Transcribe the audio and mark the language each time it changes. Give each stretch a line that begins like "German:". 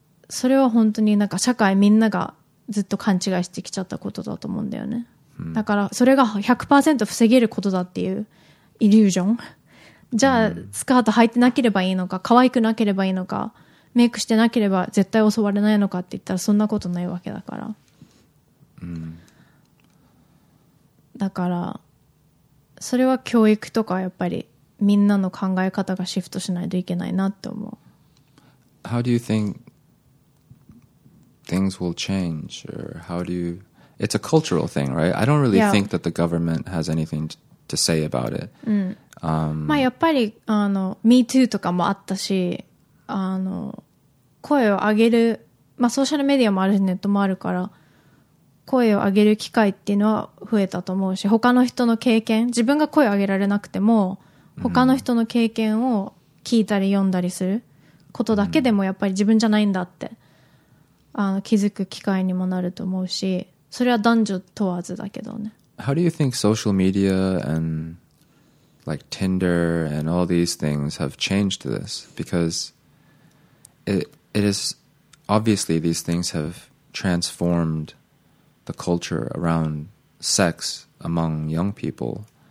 Japanese: それは本当になんか社会みんながずっと勘違いしてきちゃったことだと思うんだよね、うん、だからそれが 100% 防げることだっていうイリュージョン、じゃあ、うん、スカート履いてなければいいのか、可愛くなければいいのか、メイクしてなければ絶対襲われないのかって言ったらそんなことないわけだから、うん、だからそれは教育とかやっぱりみんなの考え方がシフトしないといけないなって思う。
English: How do you thinkThings will change, or how do you? It's a cultural thing, right? I don't really、yeah. think that the government has anything to say about it.、
Japanese: うん、まあやっぱりあの Me Too とかもあったし、あの声を上げる、まあソーシャルメディアもあるし、ネットもあるから、声を上げる機会っていうのは増えたと思うし、他の人の経験、自分が声を上げられなくても他の人の経験を聞いたり読んだりすることだけでもやっぱり自分じゃないんだって、気づく機会にもなると思うし、それは男女問わずだけどね。
English: How do you think social media and like Tinder and all these things have changed this? Because it is obviously these things have transformed the culture around sex among young people.